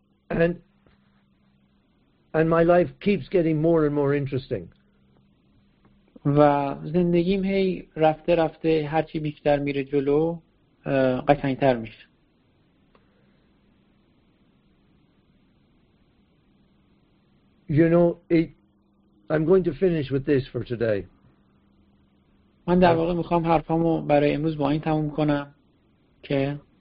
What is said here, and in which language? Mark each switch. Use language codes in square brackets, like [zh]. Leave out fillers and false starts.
[en] And my life keeps getting more and more interesting. [fa] و زندگیم هی رفته رفته هر چی بیشتر میره جلو قشنگ‌تر میشه. [en] You know, I'm going to finish with this for today. [fa] من در واقع میخوام حرفامو برای امروز با این تموم کنم که